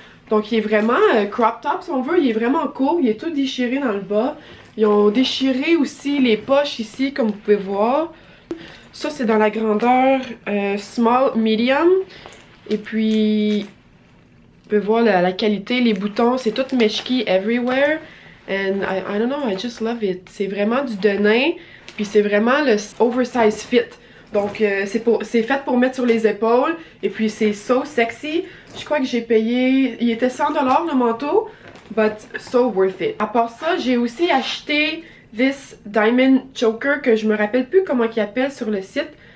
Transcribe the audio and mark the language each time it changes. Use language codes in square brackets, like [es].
[fr] Donc il est vraiment crop top si on veut, il est vraiment court, il est tout déchiré dans le bas. Ils ont déchiré aussi les poches ici comme vous pouvez voir. Ça c'est dans la grandeur small medium. Et puis, vous pouvez voir la qualité, les boutons, c'est tout meshki everywhere. [en] And I don't know, I just love it. [fr] C'est vraiment du denim, puis c'est vraiment le oversize fit. Donc, c'est fait pour mettre sur les épaules, et puis c'est [en] so sexy. [fr] Je crois que j'ai payé, il était 100$ le manteau, [en] but so worth it. [fr] À part ça, j'ai aussi acheté [en] this diamond choker, [fr] que je me rappelle plus comment il appelle sur le site.